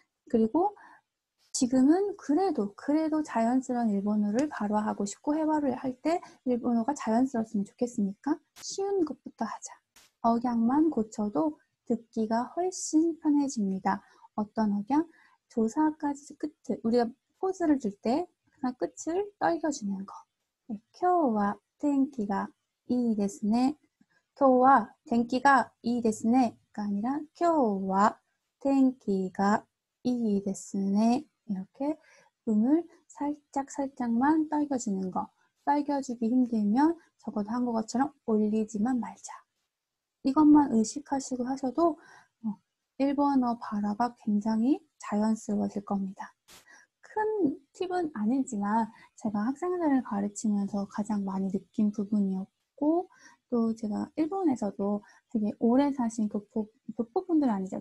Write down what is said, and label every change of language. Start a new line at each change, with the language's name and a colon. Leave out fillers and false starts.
Korean: 그리고 지금은 그래도 자연스러운 일본어를 발화하고 싶고 회화를 할때 일본어가 자연스러웠으면 좋겠으니까 쉬운 것부터 하자. 억양만 고쳐도 듣기가 훨씬 편해집니다. 어떤 억양? 조사까지 끝을, 우리가 포즈를 줄때 항상 끝을 떨겨주는 거.
Japanese: 네, 今日は 天気がいいですね. 今日は 天気がいいですね.
Korean: 가 아니라
Japanese: 今日は 天気がいいですね. 이렇게
Korean: 흠을 살짝살짝만 떨궈주는 거. 떨궈주기 힘들면 적어도 한 것처럼 올리지만 말자. 이것만 의식하시고 하셔도 일본어 발화가 굉장히 자연스러워질 겁니다. 큰 팁은 아니지만 제가 학생들을 가르치면서 가장 많이 느낀 부분이었고, 또 제가 일본에서도 되게 오래 사신 교포분들 아니죠.